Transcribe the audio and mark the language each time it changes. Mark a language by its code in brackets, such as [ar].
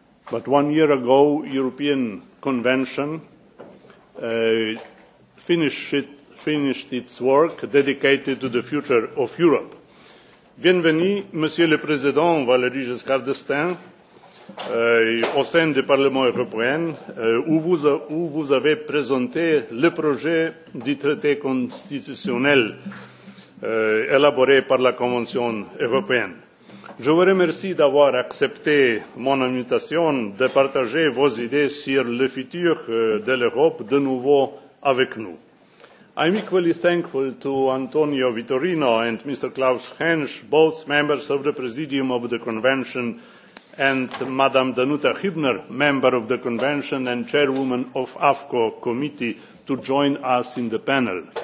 [en] But 1 year ago, European Convention finished its work dedicated to the future of Europe. [fr] Bienvenue, Monsieur le Président, Valéry Giscard d'Estaing, au sein du Parlement européen, où vous avez présenté le projet du traité constitutionnel élaboré par la Convention européenne. Je vous remercie d'avoir accepté mon invitation de partager vos idées sur le futur de l'Europe de nouveau avec nous. [en] I'm equally thankful to Antonio Vitorino and Mr. Klaus Hensch, both members of the Presidium of the Convention, and Madame Danuta Hübner, member of the Convention and chairwoman of AFCO committee, to join us in the panel.